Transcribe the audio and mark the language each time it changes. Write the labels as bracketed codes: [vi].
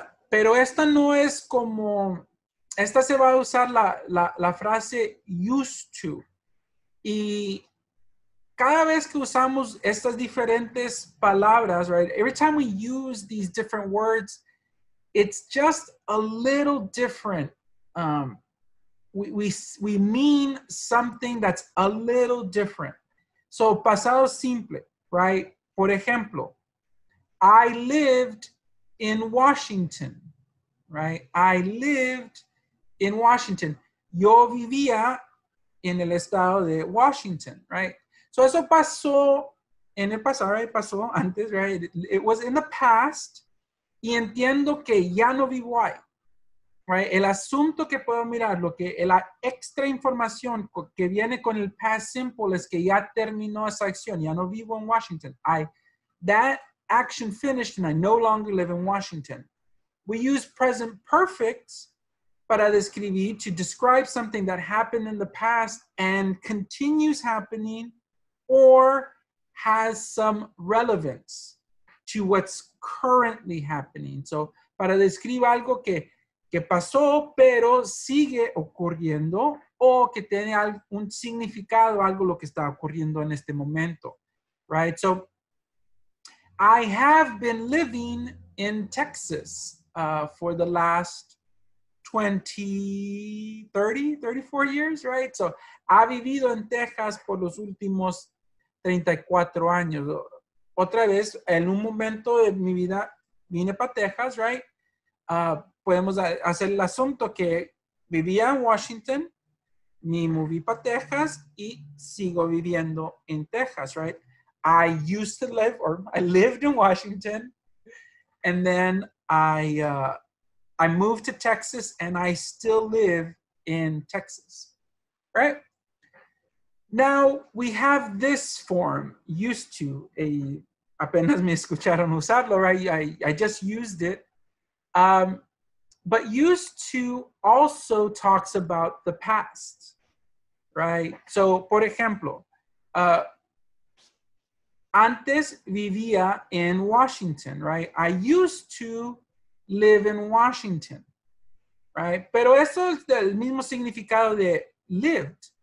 [es] Pero esta no es como, esta se va a usar la frase used to. Y cada vez que usamos estas diferentes palabras, right? [en] Every time we use these different words, it's just a little different. We mean something that's a little different. So [es] pasado simple, [en] right? [es] Por ejemplo, [en] I lived in Washington, right? I lived in Washington. [es] Yo vivía en el estado de Washington, right? So eso pasó en el pasado, right? Pasó antes, right? [en] It was in the past. [es] Y entiendo que ya no vivo ahí, right? El asunto que puedo mirar, lo que la extra información que viene con el past simple es que ya terminó esa acción. Ya no vivo en Washington. [en] Action finished and I no longer live in Washington. We use present perfect [es] para describir, [en] to describe something that happened in the past and continues happening or has some relevance to what's currently happening. [es] So, para describir algo que pasó pero sigue ocurriendo o que tiene un significado, algo lo que está ocurriendo en este momento, right? [en] So, I have been living in Texas for the last 34 years, right? [es] So, ha vivido en Texas por los últimos 34 años. Otra vez, en un momento de mi vida, vine para Texas, right? Podemos hacer el asunto que vivía en Washington, me moví para Texas y sigo viviendo en Texas, right? [en] I used to live, or I lived in Washington, and then I moved to Texas, and I still live in Texas, right? Now, we have this form, used to, [es] apenas me escucharon usarlo, [en] right? I just used it. But used to also talks about the past, right? [es] So, por ejemplo, antes vivía en Washington, right? [en] I used to live in Washington, right? [es] Pero eso es el mismo significado de lived.